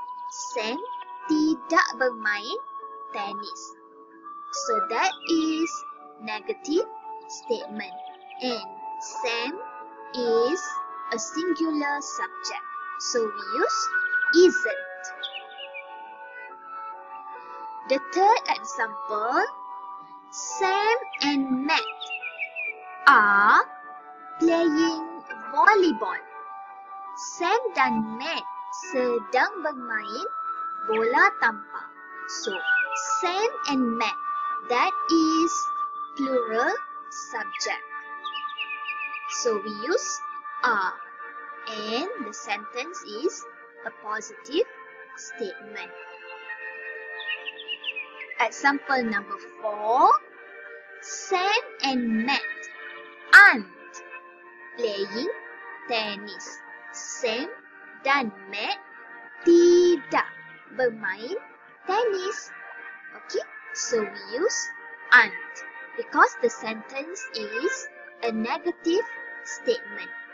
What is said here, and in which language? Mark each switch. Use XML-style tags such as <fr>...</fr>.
<ms>Sam tidak bermain tennis.</ms> <en>So, that is negative statement and Sam is a singular subject. So we use isn't. The third example, Sam and Matt are playing volleyball.</en> <ms>Sam dan Matt sedang bermain bola tampar.</ms> <en>So Sam and Matt, that is plural subject. So we use are, and the sentence is a positive statement. Example number 4, Sam and Matt aren't playing tennis.</en> <ms>Sam dan Matt tidak bermain tennis.</ms> <en>Okay, so we use aren't because the sentence is a negative statement.</en>